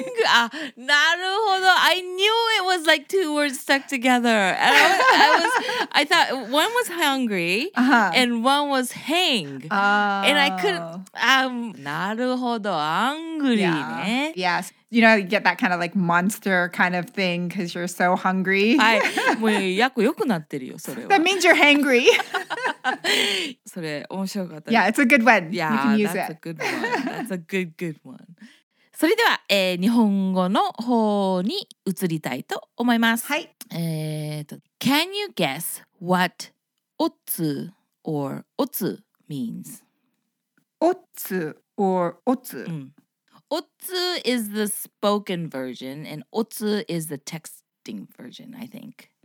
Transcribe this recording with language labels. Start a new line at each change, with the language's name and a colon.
Japanese: なるほど。
English: I knew it was like two words stuck together. I thought one was hungry and one was hang. Oh. And I couldn't...
Japanese: なるほど。
English: Angry ね。 Yes. You know, you get that kind of like monster kind of thing because you're so hungry.
Japanese: もうやっこ良くなってるよ、それは。
English: That means you're hangry.
Japanese: それ面白かった。
English: Yeah, it's a good one. Yeah, you can use that's it. A good one. That's a good, good one.
Japanese: それでは、日本語の方に移りたいと思います。はい。
English: Can you guess what otsu or otsu means? Otsu or otsu?、うん、otsu is the spoken version and otsu is the texting version, I think.